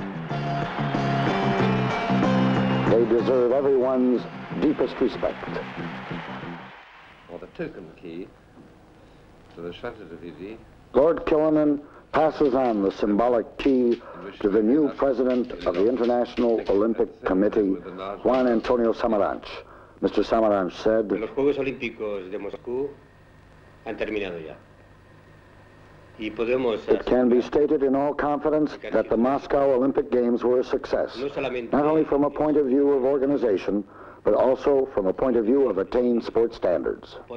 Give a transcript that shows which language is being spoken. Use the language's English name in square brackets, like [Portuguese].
[English] They deserve everyone's deepest respect. Or the token key to the Chateau de Vivi Lord Killinan passes on the symbolic key to the new president of the International Olympic Committee, Juan Antonio Samaranch. Mr. Samaranch said, [Spanish] "Los Juegos Olímpicos de Moscú han terminado ya." [English] It can be stated in all confidence that the Moscow Olympic Games were a success, not only from a point of view of organization, but also from a point of view of attained sports standards.